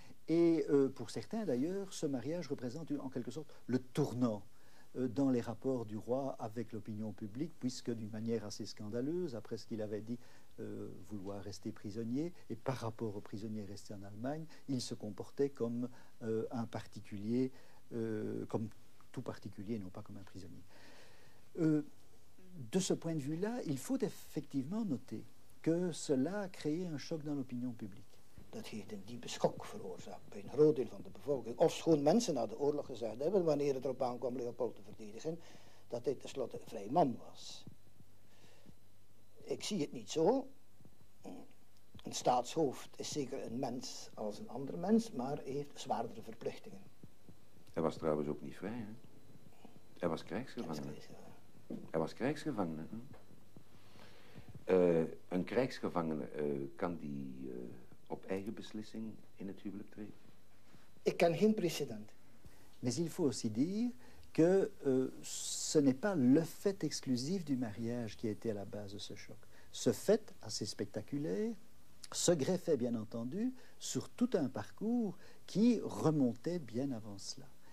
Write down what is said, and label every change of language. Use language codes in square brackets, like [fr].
[fr] Et pour certains d'ailleurs, ce mariage représente en quelque sorte le tournant dans les rapports du roi avec l'opinion publique, puisque d'une manière assez scandaleuse, après ce qu'il avait dit vouloir rester prisonnier, et par rapport aux prisonniers restés en Allemagne, il se comportait comme un particulier. Comme tout particulier, non pas comme un prisonnier. De ce point de vue-là, il faut effectivement noter que cela a créé un choc dans l'opinion publique. [nl] Dat heeft een diepe schok veroorzaakt bij een groot deel van de bevolking. Of schoon mensen na de oorlog gezegd hebben, wanneer het erop aankwam Leopold te verdedigen, dat hij tenslotte een vrij man was. Ik zie het niet zo. Een staatshoofd is zeker een mens als een ander mens, maar heeft zwaardere verplichtingen. Hij was trouwens ook niet vrij, hè? Hij was krijgsgevangene. Hij was krijgsgevangene. Een krijgsgevangene, kan die op eigen beslissing in het huwelijk treden? Ik ken geen precedent. [fr] Mais il faut aussi dire que ce n'est pas le fait exclusif du mariage qui a été à la base de ce choc. Ce fait assez spectaculaire se greffait bien entendu sur tout un parcours qui remontait bien avant cela.